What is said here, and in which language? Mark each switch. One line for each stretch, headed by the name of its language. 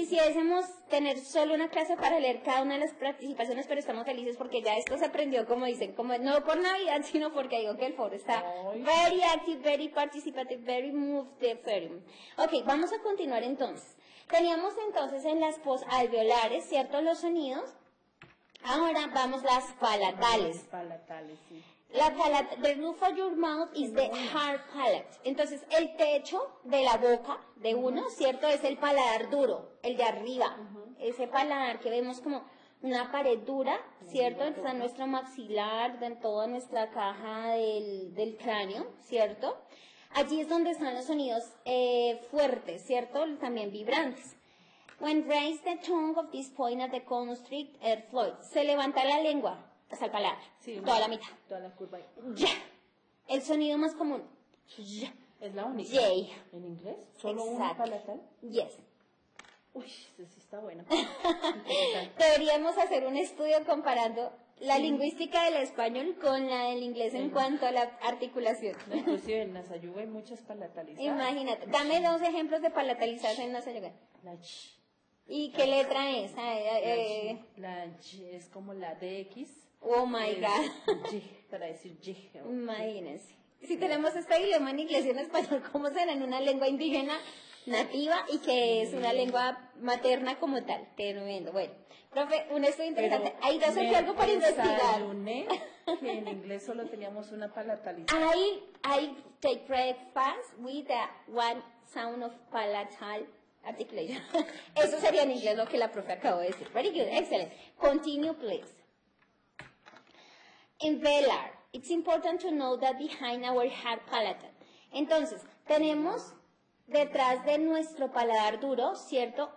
Spanish: Quisiésemos tener solo una clase para leer cada una de las participaciones, pero estamos felices porque ya esto se aprendió, como dicen, como no por Navidad, sino porque digo que el foro está
English: very active, very participative, very moved the forum.
Spanish: Okay, vamos a continuar entonces. Teníamos entonces en las posalveolares, ¿cierto?, los sonidos. Ahora vamos las palatales. Palatales, sí.
English: La palata, the roof of your mouth is the hard palate.
Spanish: Entonces, el techo de la boca de uno, ¿cierto? Es el paladar duro, el de arriba. Ese paladar que vemos como una pared dura, ¿cierto? Entonces, a nuestro maxilar, en toda nuestra caja del cráneo, ¿cierto? Allí es donde están los sonidos fuertes, ¿cierto? También vibrantes.
English: When raise the tongue of this point at the constrict air flow.
Spanish: Se levanta la lengua. Hasta el paladar. Sí, toda la mitad. Toda la curva. Ya. El sonido más común. Ya. Es la única. Yay. ¿En inglés? ¿Solo una palatal?
English: Yes.
Spanish: Uy, eso sí está bueno. Deberíamos hacer un estudio comparando la lingüística del español con la del inglés en cuanto a la articulación. Inclusive en Nasayuga hay muchas palatalizadas. Imagínate. Dame dos ejemplos de palatalizadas en Nasayuga. La ch. ¿Y qué letra es? La G es como la DX.
English: Oh my God.
Spanish: G, para decir G. Okay. Imagínense. Si tenemos este idioma en inglés y en español, ¿cómo será en una lengua indígena nativa y que es una lengua materna como tal? Tremendo. Bueno, profe, un estudio interesante. Pero ahí te hace algo para investigar. Que en inglés solo teníamos una palatalizada.
English: I take breakfast with the one sound of palatal. Articulation.
Spanish: Eso sería en inglés lo que la profe acabó de decir.
English: Very good. Excellent. Continue, please. In velar, it's important to know that behind our hard palate.
Spanish: Entonces, tenemos detrás de nuestro paladar duro, ¿cierto?